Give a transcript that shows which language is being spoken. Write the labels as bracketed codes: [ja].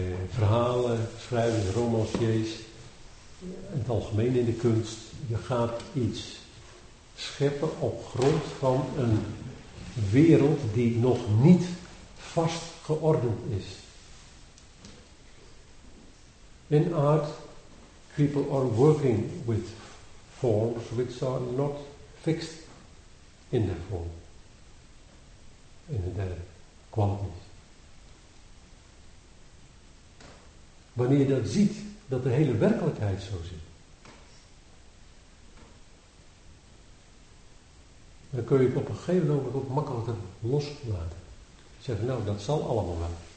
[nl] Verhalen, schrijvers, romanciers. in het algemeen in de kunst, je gaat iets scheppen op grond van een wereld die nog niet vast geordend is. [en] In art, people are working with forms which are not fixed in their form, in their qualities. [nl] Wanneer je dat ziet, dat de hele werkelijkheid zo zit, dan kun je het op een gegeven moment ook makkelijker loslaten. Zeggen, nou, dat zal allemaal wel.